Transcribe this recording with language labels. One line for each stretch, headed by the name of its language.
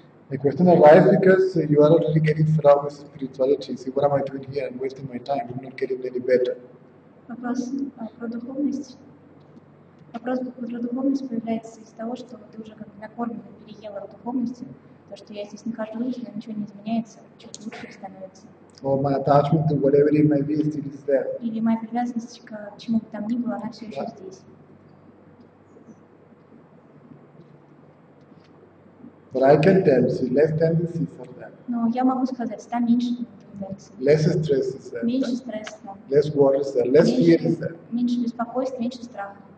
English: The question arises because you are already getting fed up with spirituality. See, what am I doing here? I'm wasting my time. I'm not getting any better.
Russian: Вопрос про духовность. Вопрос про духовность появляется из того, что ты уже как бы накормлена, переела духовностью. То, что я здесь не хожу, но ничего не изменяется, чуть лучше становится.
English: Or my attachment to whatever it may be still is there.
Russian: Или моя привязанность к чему бы там ни было, она все еще здесь.
English: But I can tell you, see, less tendencies are there.
Russian: Но я могу сказать, там меньше тенденций.
English: Less stress is there.
Russian: Меньше стресса.
English: Less worries there. Less fear is there.
Russian: Меньше беспокойств, меньше страха.